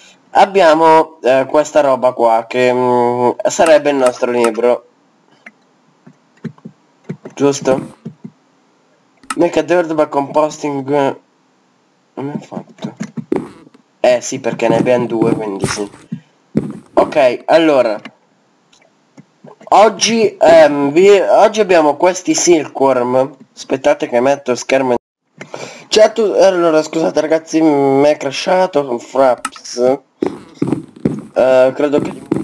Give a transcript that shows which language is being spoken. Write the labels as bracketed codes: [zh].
[it] Abbiamo questa roba qua che sarebbe il nostro libro. Giusto? [en] Make a dirt by composting. [it] Come è fatto? Sì, perché ne abbiamo due, quindi sì. Ok, allora. Oggi oggi abbiamo questi silkworm. Aspettate che metto schermo. Allora, scusate ragazzi, mi è crashato Fraps. Credo che...